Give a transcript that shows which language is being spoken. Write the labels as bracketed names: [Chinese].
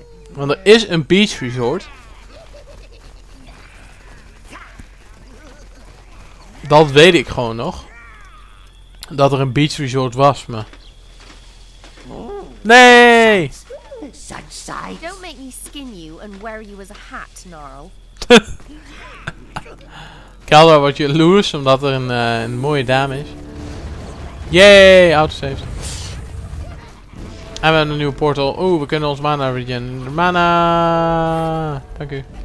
[Dutch] Want er is een beach resort. Dat weet ik gewoon nog. Dat er een beach resort was, maar... Nee! [English] Such sights. Don't make me skin you and wear you as a hat, Gnarl. [Dutch] Kelder wordt jaloers omdat er een mooie dame is. Yay! Autosaves. En we hebben een nieuwe portal. Oeh, we kunnen ons mana regeneren. Mana! Dank u.